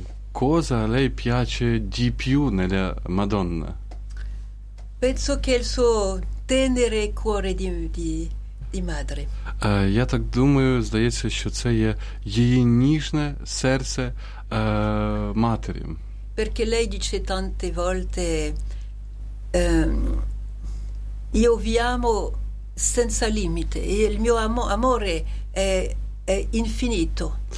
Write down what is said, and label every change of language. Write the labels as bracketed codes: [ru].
[it] Cosa lei piace di più nella Madonna? Penso che il suo tenere cuore di madre. [uk] Я так думаю, здається, що це є її ніжне серце матері. [it] Perché lei dice tante volte io vi amo senza limite e il mio amore è infinito.